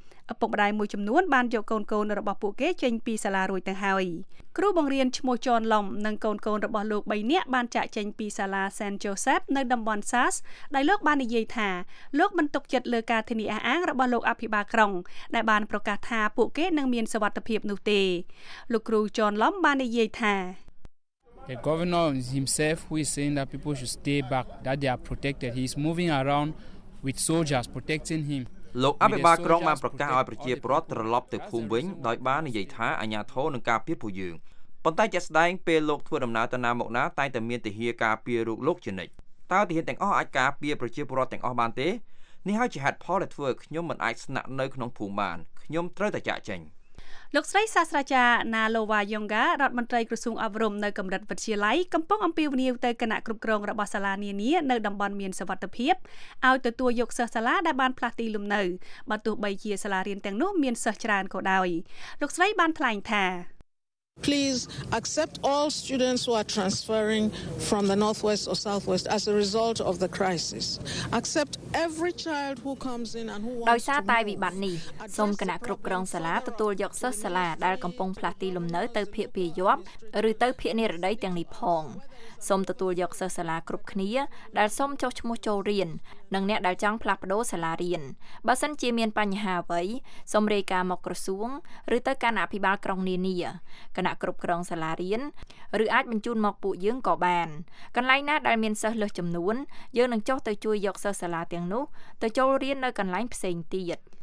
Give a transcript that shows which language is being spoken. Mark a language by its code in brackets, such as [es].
[km] ឪពុកម្ដាយមួយចំនួនបានយកកូនកូនរបស់ពួកគេចេញពីសាលារួចទៅហើយគ្រូបង្រៀនឈ្មោះជន់ឡំនិងកូនកូនរបស់លោក3នាក់បានចាកចេញពីសាលា Saint Joseph នៅតំបន់ SAS ដែលលោកបាននិយាយថាលោកមិនទុកចិត្តលើការធានាអះអាងរបស់លោកអភិបាលក្រុងដែលបានប្រកាសថាពួកគេនឹងមានសុវត្ថិភាពនោះទេលោកគ្រូជន់ឡំបាននិយាយថា [en] The governor himself who is saying that people should stay back that they are protected he is moving around with soldiers protecting him [km] លោកអភិបាលក្រុងបានប្រកាសឲ្យប្រជាពលរដ្ឋត្រឡប់ទៅភូមិវិញដោយបាននិយាយថាអាជ្ញាធរនឹងការពារពួកយើងប៉ុន្តែជាក់ស្ដែងពេលលោកធ្វើដំណើរទៅណាមកណាតែងតែមានទាហានការពាររុកលោកជានិច្ចតើទាហានទាំងអស់អាចការពារប្រជាពលរដ្ឋទាំងអស់បានទេនេះហើយជាហេតុផលដែលធ្វើឲ្យខ្ញុំមិនអាចស្នាក់នៅក្នុងភូមិបានខ្ញុំត្រូវតែចាកចេញ លោកស្រីសាស្ត្រាចារ្យណាឡូវ៉ាយ៉ុងហ្ការដ្ឋមន្ត្រីក្រសួងអប់រំនៅកម្រិតវិទ្យាល័យកំពុងអំពាវនាវទៅគណៈគ្រប់គ្រងរបស់សាលានានានៅតំបន់មានសុវត្ថិភាពឲ្យទទួលយកសិស្សសាលាដែលបានផ្លាស់ទីលំនៅបើទោះបីជាសាលារៀនទាំងនោះមានសិស្សច្រើនក៏ដោយលោកស្រីបានថ្លែងថា [en] Please accept all students who are transferring from the northwest or southwest as a result of the crisis. Accept every child who comes in and who wants to. [km] ដោយសារតែវិបត្តិនេះសូមគណៈគ្រប់គ្រងសាលាទទួលយកសិស្សសាលាដែលកំពុងផ្លាស់ទីលំនៅទៅភាគពាយ័ព្យឬទៅភាគនិរតីទាំងនេះផង សូមទទួលយកសិស្សសាលាគ្រប់គ្នាដែលសូមចុះឈ្មោះចូលរៀននិងអ្នកដែលចង់ផ្លាស់ប្ដូរសាលារៀនបើសិនជាមានបញ្ហាអ្វីសូមរាយការណ៍មកក្រសួងឬទៅគណៈអភិបាលក្រុងនានាគណៈគ្រប់គ្រងសាលារៀនឬអាចបញ្ជូនមកពួកយើងក៏បានកន្លែងណាដែលមានសិស្សលើសចំនួនយើងនឹងចុះទៅជួយយកសិស្សសាលាទាំងនោះទៅចូលរៀននៅកន្លែងផ្សេងទៀត